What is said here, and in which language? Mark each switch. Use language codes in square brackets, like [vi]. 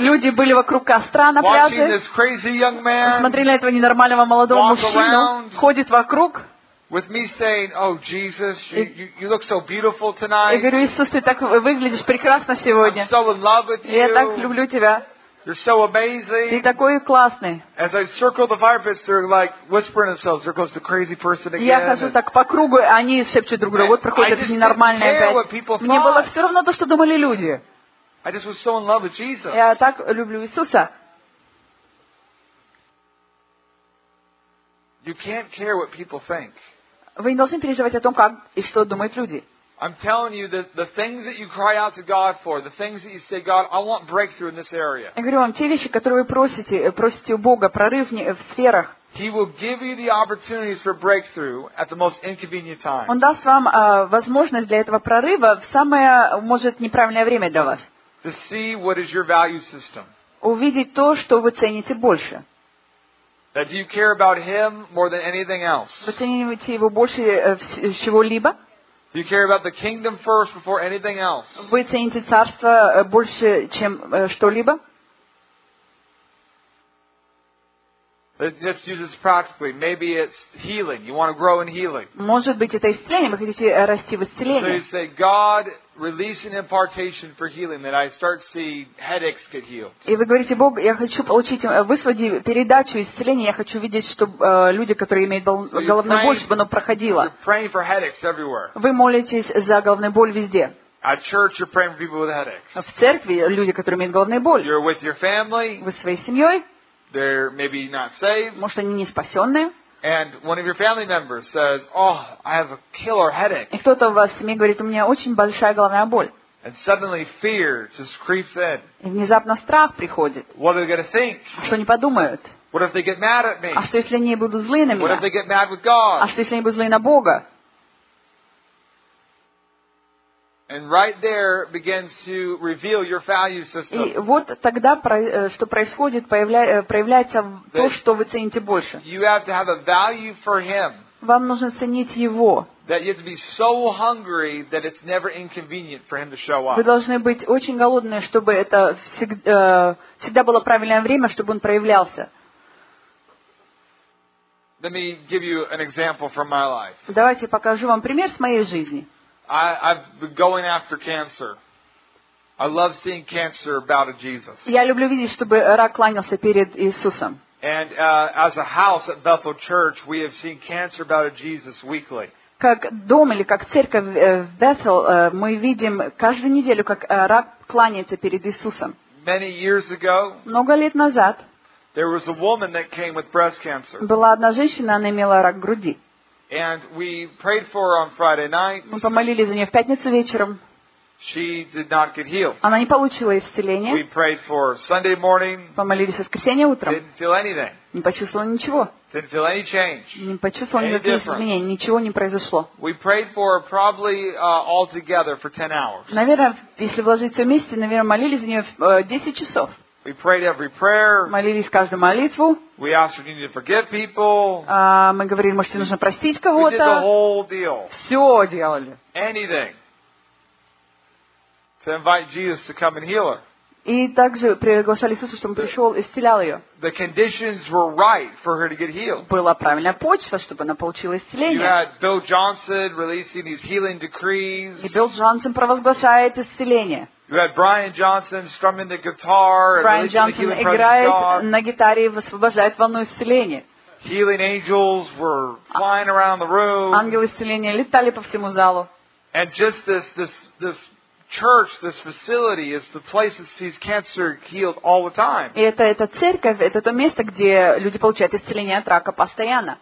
[ru] Люди были вокруг костра на пляже. [en] Watching this crazy young man. [ru] Смотрели этого ненормального молодого мужчину. Ходит вокруг. [en] With me saying, "Oh Jesus, you look so beautiful tonight." [ru] Я говорю, Иисус, ты так выглядишь прекрасно сегодня. [en] I'm so in love with you. [ru] Я так люблю тебя. [en] You're so amazing. [ru] Ты такой классный. [en] As I circle the fire pits, they're like whispering themselves. There goes the crazy person again. [ru] Я хожу так по кругу, они шепчут друг другу. Вот проходит этот ненормальный опять. Мне было все равно то, что думали люди. [en] I just was so in love with Jesus. [ru] Я так люблю Иисуса. [en] You can't care what people think. [ru] Вы не должны переживать о том, как и что думают люди. [en] I'm telling you that the things that you cry out to God for, the things that you say, God, I want breakthrough in this area. [ru] Я говорю вам, те вещи, которые вы просите у Бога, прорыв в сферах. [en] He will give you the opportunities for breakthrough at the most inconvenient time. [ru] Он даст вам возможность для этого прорыва в самое, может, неправильное время для вас. [en] To see what is your value system. [ru] Увидеть то, что вы цените больше. [en] That you care about him more than anything else. [ru] Вы цените его больше чего-либо? [en] Do you care about the kingdom first before anything else? [ru] Вы цените царство больше, чем что-либо? [en] Let's use this practically. Maybe it's healing. You want to grow in healing. [ru] Может быть, это исцеление. Вы хотите расти в исцелении. [en] So you say, God, release an impartation for healing that I start to see headaches get healed. [ru] И вы говорите, Бог, я хочу получить, высвободи передачу исцеления. Я хочу видеть, чтобы люди, которые имеют головную боль, чтобы оно проходило. [en] You're praying for headaches everywhere. [ru] Вы молитесь за головную боль везде. [en] At church, you're praying for people with headaches. [ru] В церкви люди, которые имеют головную боль. [en] You're with your family. [ru] Вы со своей семьей. [en] They're maybe not saved. [ru] Может, они не спасенные. [en] And one of your family members says, "Oh, I have a killer headache." [ru] И кто-то в вас семье говорит, у меня очень большая головная боль. [en] And suddenly fear just creeps in. [ru] И внезапно страх приходит. [en] What are they going to think? [ru] Что они подумают? [en] What if they get mad at me? [ru] А что если они будут злы на меня? [en] What if they get mad with God? [ru] А что если они будут злы на Бога? [en] And right there begins to reveal your value system. [ru] И вот тогда, что происходит, проявляется то, что вы цените больше. [en] You have to have a value for him. [ru] Вам нужно ценить его. [en] That you have to be so hungry that it's never inconvenient for him to show up. [ru] Вы должны быть очень голодные, чтобы это всегда было правильное время, чтобы он проявлялся. [en] Let me give you an example from my life. [ru] Давайте покажу вам пример с моей жизни. [en] I've been going after cancer. I love seeing cancer bow to Jesus. [ru] Я люблю видеть, чтобы рак кланялся перед Иисусом. [en] And as a house at Bethel Church, we have seen cancer bow to Jesus weekly. [ru] Как дом или как церковь в Bethel, мы видим каждую неделю, как рак кланяется перед Иисусом. [en] Many years ago. [ru] Много лет назад. [en] There was a woman that came with breast cancer. [ru] Была одна женщина, она имела рак груди. [en] And we prayed for her on Friday night. [ru] Мы помолились за нее в пятницу вечером. [en] She did not get healed. [ru] Она не получила исцеления. [en] We prayed for Sunday morning. [ru] Помолились в воскресенье утром. [en] Didn't feel anything. [ru] Не почувствовала ничего. [en] Didn't feel any change. [ru] Не почувствовала никаких изменений. Ничего не произошло. [en] We prayed for her probably all together for 10 hours. [ru] Наверное, если вложить все вместе, наверное, молились за нее 10 часов. [en] We prayed every prayer. [ru] Молились каждую молитву. [en] We asked if you need to forgive people. [ru] Мы говорили, может, нужно простить кого-то. [en] We did the whole deal. [ru] Все делали. [en] Anything to invite Jesus to come and heal her. [ru] И также приглашали Иисуса, чтобы он пришел и исцелял ее. [en] The conditions were right for her to get healed. [ru] Была правильная почва, чтобы она получила исцеление. [en] You had Bill Johnson releasing these healing decrees. [ru] И Билл Джонсон провозглашает исцеление. [en] You had Brian Johnson strumming the guitar and Brian Johnson the healing [ru] играет [en] presence [ru] на гитаре и высвобождает волну исцеления. [en] Healing angels were flying around the room. [ru] Ангелы исцеления летали по всему залу. [en] And just this church, this facility is the place that sees cancer healed all the time. [ru] Это церковь, это то место, где люди получают исцеление от рака постоянно.